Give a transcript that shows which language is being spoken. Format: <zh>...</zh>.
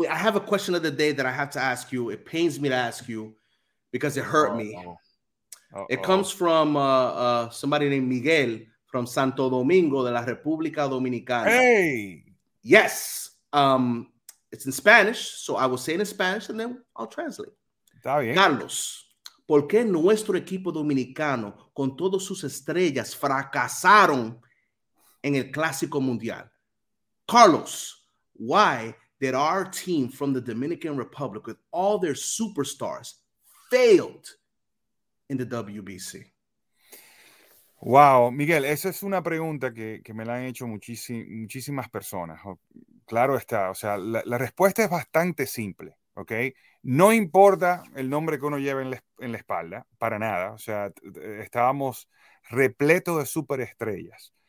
<en>I have a question of the day that I have to ask you. It pains me to ask you because it hurt me. Uh-oh. It comes from somebody named Miguel from Santo Domingo de la República Dominicana. Hey! Yes. It's in Spanish, so I will say it in Spanish and then I'll translate.</en> <es>Está bien. Carlos, ¿por qué nuestro equipo dominicano con todas sus estrellas fracasaron en el Clásico Mundial?</es> <en>Carlos, why did our team from the Dominican Republic with all their superstars failed in the WBC?</en> <es>Wow, Miguel, esa es una pregunta que me la han hecho muchísimas personas. Claro está, o sea, la respuesta es bastante simple, ¿ok? No importa el nombre que uno lleve en la espalda, para nada. O sea, estábamos repleto de superestrellas.</es>